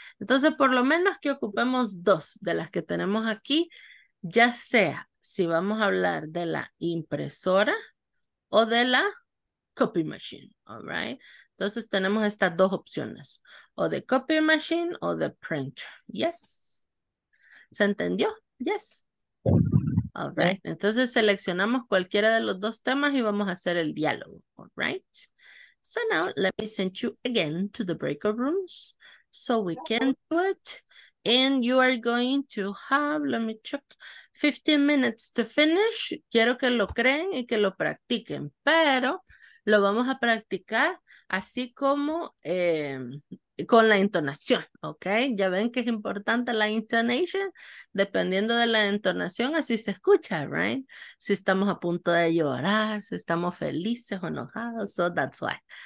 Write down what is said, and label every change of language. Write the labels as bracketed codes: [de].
[es] Entonces, por lo menos que ocupemos dos de las que tenemos aquí, ya sea si vamos a hablar de la impresora o de la copy machine. [en] All right. [es] Entonces, tenemos estas dos opciones, o de copy machine o de printer. [en] Yes. [es] ¿Se entendió? [en] Yes. All right. [es] Entonces, seleccionamos cualquiera de los dos temas y vamos a hacer el diálogo. [en] All right. So now, let me send you again to the breakout rooms. So we can do it, and you are going to have, let me check, 15 minutes to finish. [es] Quiero que lo creen y que lo practiquen, pero lo vamos a practicar así como con la entonación, ¿ok? Ya ven que es importante la intonation, dependiendo de la entonación, así se escucha, right? Si estamos a punto de llorar, si estamos felices o enojados, [en] so that's why.